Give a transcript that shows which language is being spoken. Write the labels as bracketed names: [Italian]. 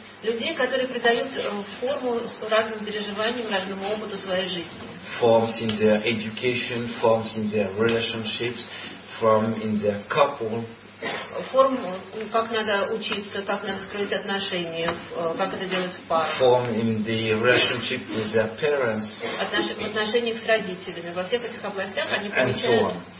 [Russian] Людей, которые придают форму разным переживаниям, разному опыту своей жизни. [English] Forms in their education, forms in their relationships, forms in their couple, [Russian] форм, как надо учиться, как надо строить отношения, как это делать в парах. [English] Form in the relationship with their parents. [Russian] В отношениях с родителями. Во всех этих областях они получают